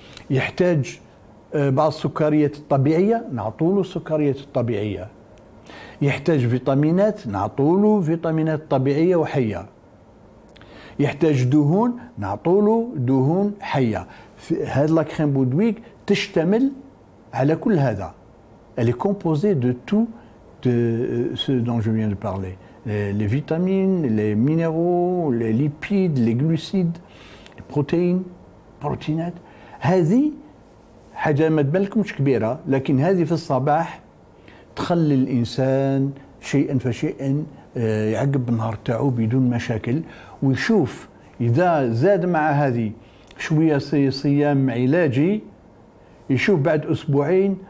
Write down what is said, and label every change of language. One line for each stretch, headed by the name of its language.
Arabic: يحتاج بعض السكريات الطبيعية، نعطوله السكريات الطبيعية. يحتاج فيتامينات، نعطوله فيتامينات طبيعية وحية. يحتاج دهون، نعطوله دهون حية. هذا لاكريم بودويك تشتمل على كل هذا.
French: Elle est composée de tout de ce dont je viens de parler. Les vitamines, les minéraux, les lipides, les glucides, les protéines, protéinates.
Arabic: هذه حاجة ما تبالكمش كبيرة، لكن هذه في الصباح تخلي الإنسان شيئا فشيئا يعقب النهار تاعه بدون مشاكل، ويشوف إذا زاد مع هذه شوية صيام علاجي، يشوف بعد أسبوعين.